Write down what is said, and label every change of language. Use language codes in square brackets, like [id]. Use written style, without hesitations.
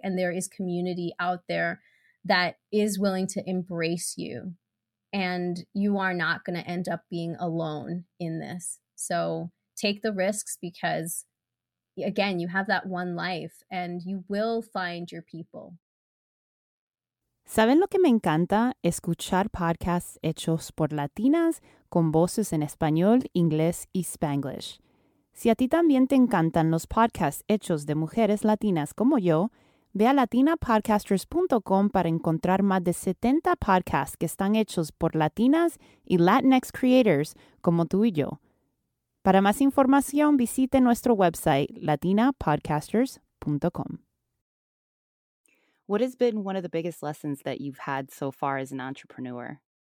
[en] And there is community out there that is willing to embrace you. And you are not going to end up being alone in this. So take the risks, because again, you have that one life and you will find your people. [es] ¿Saben lo que me encanta? Escuchar podcasts hechos por latinas con voces en español, inglés y spanglish. Si a ti también te encantan los podcasts hechos de mujeres latinas como yo, ve a latinapodcasters.com para encontrar más de 70 podcasts que están hechos por latinas y Latinx creators como tú y yo. Para más información, visite nuestro website, latinapodcasters.com. [en] What has been one of the biggest lessons that you've had so far as an entrepreneur?